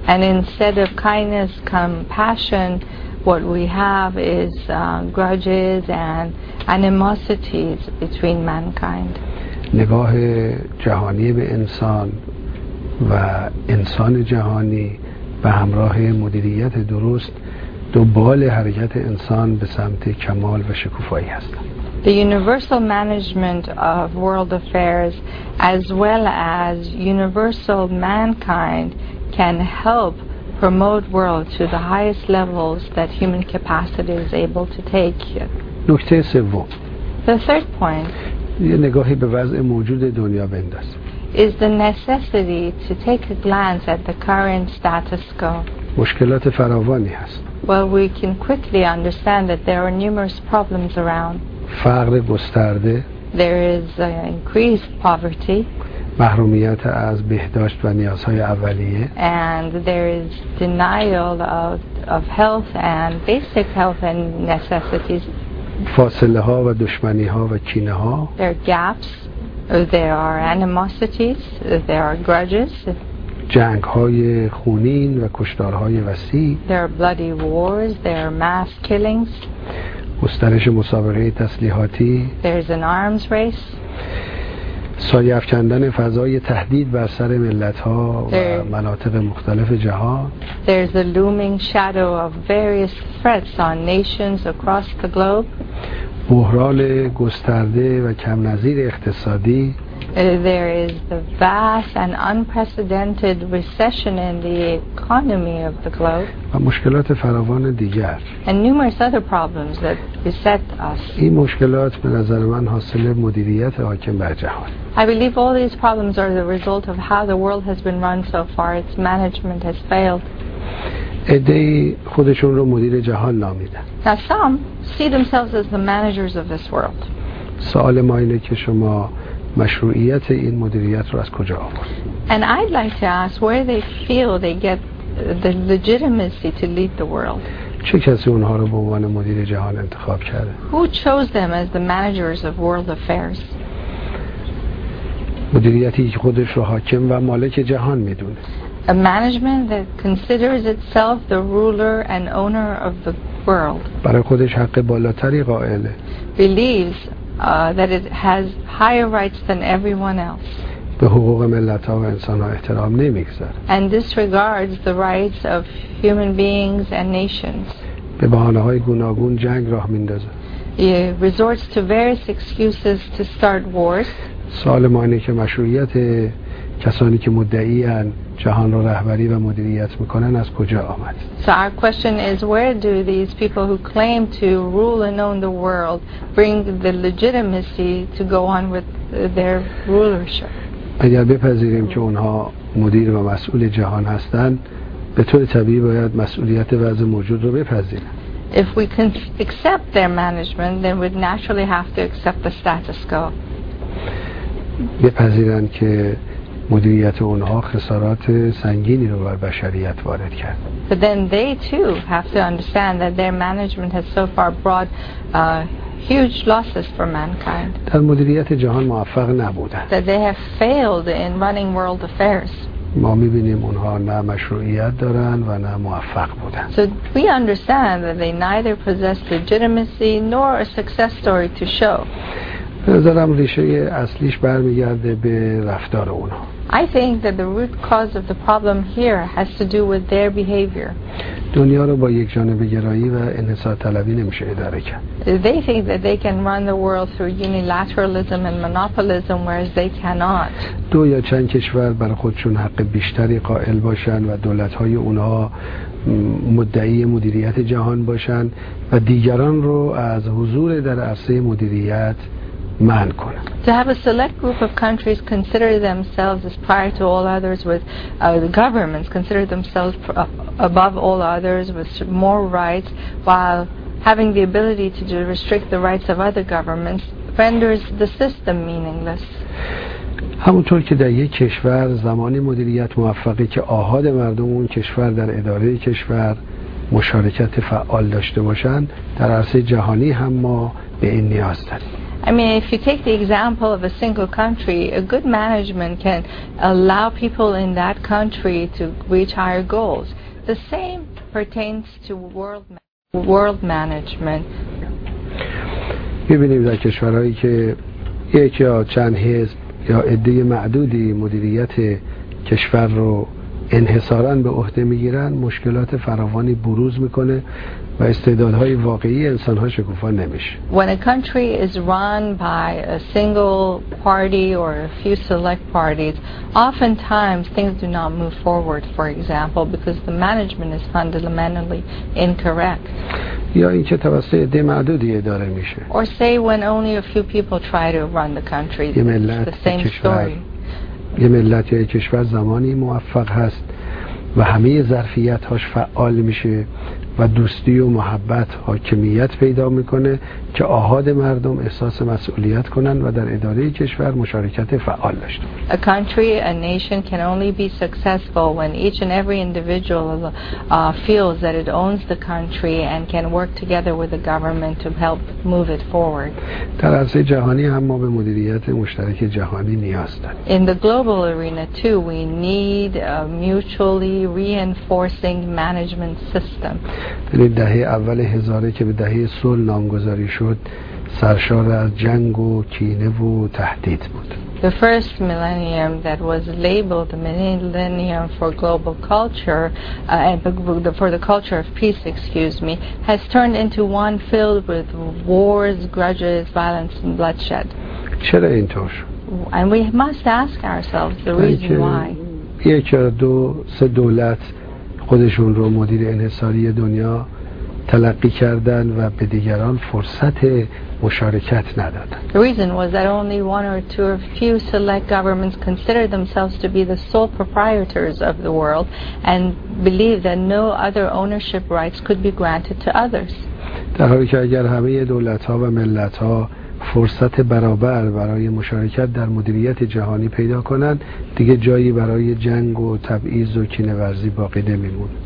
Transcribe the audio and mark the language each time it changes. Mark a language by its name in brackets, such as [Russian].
[English] And instead of kindness, compassion, what we have is grudges and animosities between mankind. [Persian] نگاه جهانی به انسان و انسان جهانی به همراه مدیریت درست دو بال حرکت انسان به سمت کمال و شکوفایی هستند. [English] The universal management of world affairs as well as universal mankind can help promote world to the highest levels that human capacity is able to take. [Persian] نکته سوم. [English] The third point. [Persian] یه نگاهی به وضع موجود دنیا بنداز. [English] Is the necessity to take a glance at the current status quo. [Persian] مشکلات فراوانی هست. [English] Well, we can quickly understand that there are numerous problems around. [Persian] فقر گسترده. [English] There is increased poverty. [Persian] محرومیت از بهداشت و نیازهای اولیه. [English] And there is denial of health and basic health and necessities. [Persian] فاصله ها و دشمنی ها و کینه ها. [English] There are gaps. There are animosities. There are grudges. [Persian] جنگ های خونین و کشتارهای وسیع. [English] There are bloody wars. There are mass killings. [Persian] گسترش مسابقه تسلیحاتی. [English] There is an arms race. [Persian] سایه افکندن فضای تهدید بر سر ملت‌ها و مناطق مختلف جهان. [English] There's a looming shadow of various threats on nations across the globe. [Persian] بحران گسترده و کم نظیر اقتصادی. [English] There is the vast and unprecedented recession in the economy of the globe. [Persian] و مشکلات فراوان دیگر. [English] And numerous other problems that beset us. [Persian] این مشکلات به نظر من حاصل مدیریت حاکم بر جهان. [English] I believe all these problems are the result of how the world has been run so far. Its management has failed. [Persian] ادهی خودشون رو مدیر جهان نامیدن. [English] Now some see themselves as the managers of this world. [Persian] سوال ما اینه که شما مشروعیت این مدیریت رو از کجا آورد؟ [English] And I'd like to ask where they feel they get the legitimacy to lead the world. [Persian] چه کسی اونها رو به عنوان مدیر جهان انتخاب کرده؟ [English] Who chose them as the managers of world affairs? [Persian] مدیریتی که خودش رو حاکم و مالک جهان میدونه. [English] A management that considers itself the ruler and owner of the world. [Persian] برای خودش حق بالاتری قائله. [English] Believes that it has higher rights than everyone else. [Persian] به حقوق ملت‌ها و انسان‌ها احترام نمی‌گذاره. [English] And disregards the rights of human beings and nations. [Persian] به بهانه‌های گوناگون جنگ راه می‌اندازه. [English] He resorts to various excuses to start wars. [Persian] سوال ما اینه که مشروعیت کسانی که مدعی‌اند جهان را رهبری و مدیریت می‌کنند از کجا آمد؟ [English] So our question is, where do these people who claim to rule and own the world bring the legitimacy to go on with their rulership? [Persian] اگر بپذیریم که اونها مدیر و مسئول جهان هستند، به طور طبیعی باید مسئولیت وضع موجود را بپذیریم. [English] If we can accept their management, then we'd naturally have to accept the status quo. [Persian] بپذیرند که مدیریت اونها خسارات سنگینی رو بر بشریت وارد کرد. [English] But then they too have to understand that their management has so far brought huge losses for mankind. [Persian] در مدیریت جهان موفق نبودند. [English] That they have failed in running world affairs. [Persian] ما می‌بینیم اونها نه مشروعیت دارن و نه موفق بودند. [English] So we understand that they neither possess legitimacy nor a success story to show. [Persian] به نظرم ریشه اصلیش برمیگرده به رفتار اونها. [English] I think that the root cause of the problem here has to do with their behavior. [Persian] دنیا رو با یک جانبه گرایی و انحصار طلبی نمیشه اداره کرد. [English] They think that they can run the world through unilateralism and monopolism, whereas they cannot. [Persian] دو یا چند کشور برای خودشون حق بیشتری قائل باشن و دولت‌های اونها مدعی مدیریت جهان باشن و دیگران رو از حضور در عرصه مدیریت من کنم. [English] To have a select group of countries consider themselves as prior to all others with the governments consider themselves above all others with more rights while having the ability to restrict the rights of other governments renders the system meaningless. [Persian] همونطور که در یک کشور زمانی مدیریت موفقی که آحاد مردم اون کشور در اداره کشور مشارکت فعال داشته باشن در عرصه جهانی هم ما به این نیاز داریم. [English] I mean, if you take the example of a single country, a good management can allow people in that country to reach higher goals. The same pertains to world management. [Persian] می‌بینیم در کشورهایی که یک یا چند حزب یا عده معدودی مدیریت کشور رو انحصاراً به عهده میگیرن مشکلات فراوانی بروز میکنه و استعدادهای واقعی انسانها شکوفا نمیشه. [English] When a country is run by a single party or a few select parties, oftentimes things do not move forward, for example, because the management is fundamentally incorrect. [Persian] یا اینکه توسط عده معدودی اداره میشه. [English] Or say when only a few people try to run the country, it's the same story. [Persian] یه ملت یا یه کشور زمانی موفق هست و همه ظرفیت هاش فعال میشه و دوستی و محبت حاکمیت پیدا میکنه که آحاد مردم احساس مسئولیت کنن و در اداره کشور مشارکت فعال داشته باشن. [English] A country, a nation can only be successful when each and every individual feels that it owns the country and can work together with the government to help move it forward. [Persian] در عرصه جهانی هم ما به مدیریت مشترک جهانی نیاز داریم. [English] In the global arena too, we need a mutually reinforcing management system. [Persian] در دهه اول هزاره که به دهه صلح نامگذاری شد سرشار از جنگ و کینه و تهدید بود. [English] The first millennium that was labeled the millennium for global culture for the culture of peace has turned into one filled with wars, grudges, violence and bloodshed. [Persian] چرا اینطور شد؟ [English] And we must ask ourselves the reason why. [Persian] یک یا دو سه دولت خودشون رو مدیر انحصاری دنیا تلقی کردن و به دیگران فرصت مشارکت ندادن. [English] The reason was that only one or two or few select governments considered themselves to be the sole proprietors of the world and believed that no other ownership rights could be granted to others. [Persian] در حالی که اگر همه دولت‌ها و ملت‌ها فرصت برابر برای مشارکت در مدیریت جهانی پیدا کنند دیگه جایی برای جنگ و تبعیض و کینه‌ورزی باقی نمی‌مونه.